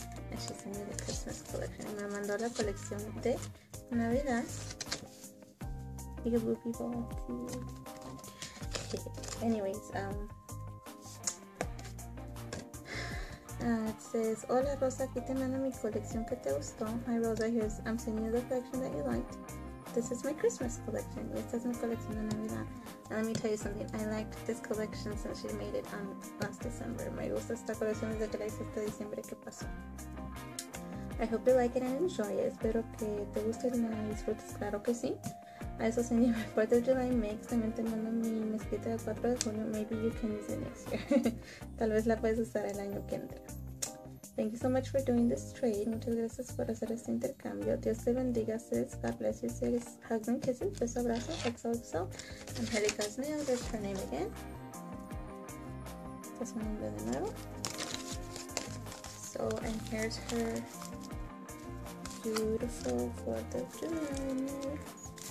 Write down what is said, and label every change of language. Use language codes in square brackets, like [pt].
[en] And she sent me the Christmas collection. [es] Me mandó la colección de Navidad. [en] Peekaboo people too. Anyways, it says, [es] hola Rosa, aquí te mando mi colección que te gustó. [en] Hi Rosa, here's, I'm sending you the collection that you liked. This is my Christmas collection. [es] Y esta es mi colección de Navidad. [en] And let me tell you something, I liked this collection since she made it on last December. [es] Me gusta esta colección desde que la hice este diciembre que pasó. [en] I hope you like it and enjoy it. [es] Espero que te guste y me disfrutes. Claro que sí. A eso se llama [en] 4th of July mix. [es] También te mando mi mezquita de 4 de julio. [en] Maybe you can use it next year. [es] Tal vez la puedes usar el año que entra. [en] Thank you so much for doing this trade. [es] Muchas gracias por hacer este intercambio. Dios te bendiga. [en] Sis. God bless you. Sis. Hugs and kisses. [es] Beso, abrazo. [en] Exo, exo. Angelicas Nails. That's her name again. [es] Este es mi nombre de nuevo. [en] So, and here's her beautiful 4th of July mix.